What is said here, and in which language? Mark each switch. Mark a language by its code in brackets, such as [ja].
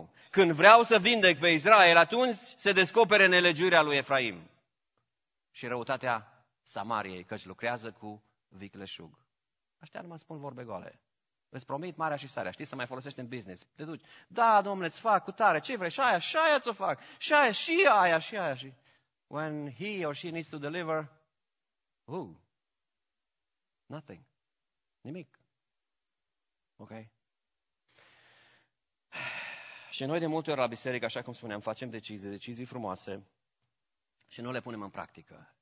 [ro] Când vreau să vindec pe Israel, atunci se descopere nelegiuirea lui Efraim și răutatea Samariei, căci lucrează cu vicleșug. Aștia nu mă spun vorbe goale. Îți promit marea și sarea, știi, să mai folosești în business. Te duci, da, domnule, îți fac cu tare, ce vrei, și aia, și aia ți-o fac, și aia, și aia, și aia. Și... [en] When he or she needs to deliver, nothing, nimic. Ok? [ro] Și noi de multe ori la biserică, așa cum spuneam, facem decizii, decizii frumoase și nu le punem în practică.